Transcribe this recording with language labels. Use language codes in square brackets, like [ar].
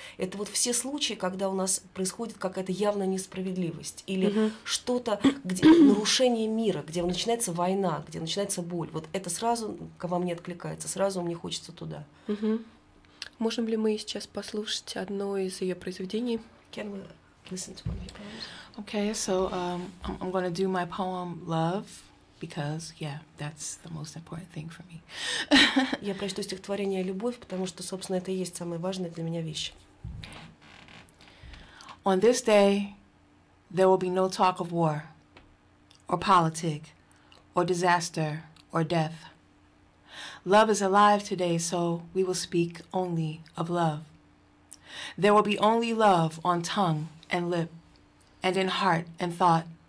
[ru] Это вот все случаи, когда у нас происходит какая-то явная несправедливость или что-то, где нарушение мира, где начинается война, где начинается боль. Вот это сразу ко вам не откликается, сразу мне хочется туда. Можем ли мы сейчас послушать одно из ее произведений? [en] Can we listen to one of your poems? Okay, so I'm going to do my poem "Love" because, yeah, that's the most important thing for me. [ru] Я прочту стихотворение "Любовь", потому что, собственно, это и есть самая важная для меня вещь. [en] On this day, there will be no talk of war, or politic, or disaster, or death. Love is alive today, so we will speak only of love. There will be only love on tongue and lip, and in heart and thought.